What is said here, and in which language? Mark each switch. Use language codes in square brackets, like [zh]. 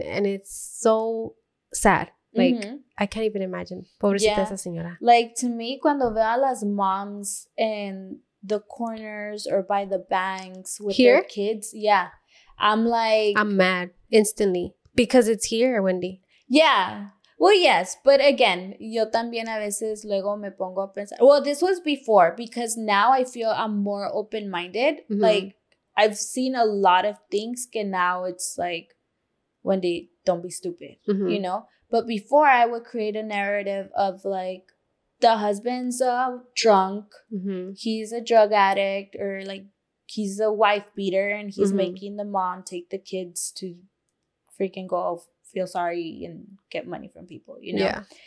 [en] And it's so sad. Like, I can't even imagine. [es] Pobrecita esa señora. [en] Like, to me, [es] cuando veo a las [en] moms in the corners or by the banks with here? Their kids, I'm like, I'm mad instantly because it's here, Wendy. Yeah. Well, yes. But again, [es] yo también a veces luego me pongo a pensar. [en] Well, this was before, because now I feel I'm more open-minded. Like, I've seen a lot of things que now it's like, Wendy, don't be stupid, you know? But before, I would create a narrative of, like, the husband's a drunk, he's a drug addict, or, like, he's a wife beater, and he's making the mom take the kids to freaking go feel sorry and get money from people, you know?